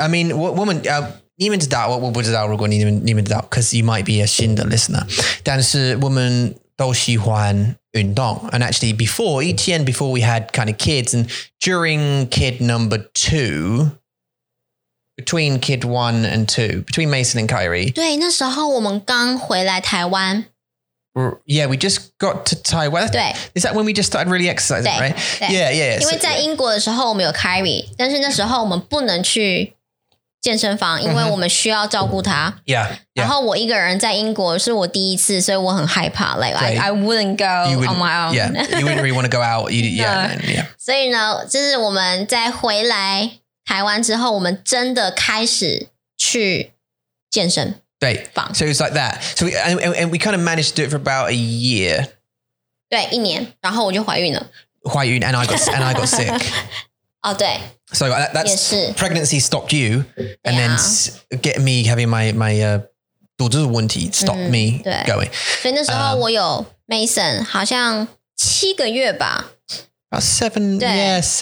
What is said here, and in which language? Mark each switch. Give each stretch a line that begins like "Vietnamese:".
English: I mean,
Chinese: 我们你们知道，我不知道，如果你们知道
English: because you might be a 新的 listener.
Chinese: 但是我们都喜欢运动。
English: And actually, before, each year before we had kind of kids, and during kid number two, between kid one and two, between Mason and Kyrie.
Chinese: 对，那时候我们刚回来台湾。
English: Yeah, we just got to Taiwan. Is that when we just started really exercising, right? Yeah.
Chinese: 因为在英国的时候我们有 Kyrie, 但是那时候我们不能去健身房，因为我们需要照顾他。
English: Yeah.
Chinese: 然后我一个人在英国是我第一次，所以我很害怕。
English: Like, I wouldn't go on my own. Yeah, you wouldn't really want to go out. Yeah.
Chinese: 所以呢，就是我们在回来台湾之后，我们真的开始去健身。
English: Right. So it was like that. So we kind of managed to do it for about a year.
Chinese: 对，一年，然后我就怀孕了。
English: 怀孕 and I got sick.
Chinese: 哦，对。
English: So that's pregnancy stopped you, and then get me having my 肚子问题 stopped me going.
Chinese: 所以那时候我有 Mason， 好像七个月吧。
English: 7 months.